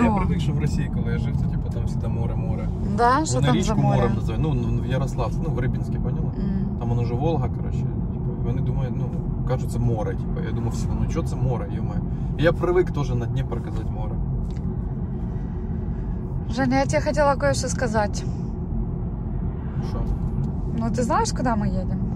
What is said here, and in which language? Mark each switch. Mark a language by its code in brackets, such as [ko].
[ru] Да, я привык, что в России, когда я жив, то типа там всегда море. Да, что там за море? [uk] Вони річку морем називають. Ну, в Ярославце, ну, в Рибинске, поняла? Там воно вже Волга, короче. Вони думають, ну, кажуть, це море. Типа. Я думав всегда, ну, що це море, ё-моё. [ru] Я привык тоже на Днепр [uk] казати [ru] море. Женя, я тебе хотела кое-что сказать. Что? Ну, ты знаешь, куда мы едем?